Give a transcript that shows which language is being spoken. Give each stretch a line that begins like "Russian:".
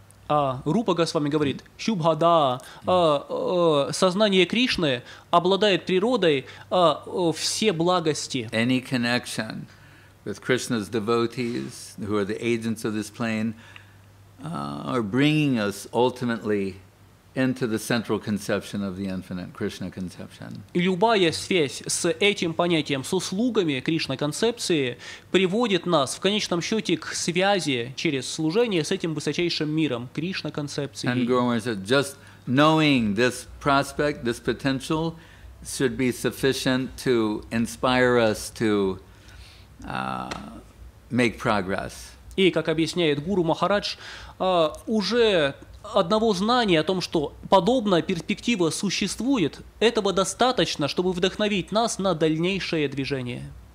Russian: Рупа Госвами говорит, Шубхада, сознание Кришны обладает природой все благости.
English: Any connection with Krishna's devotees, who are the agents of this plane, are bringing us ultimately into the central conception of the infinite Krishna conception.
Russian: Любая связь с этим понятием, с услугами Кришна концепции, приводит нас в конечном счете к связи через служение с этим высочайшим миром Кришна концепции.
English: And Guru Maharaj said, just knowing this prospect, this potential, should be sufficient to inspire us to make progress.
Russian: И, как объясняет Гуру Махарадж, уже одного знания о том, что подобная перспектива существует, этого достаточно, чтобы вдохновить нас на дальнейшее движение.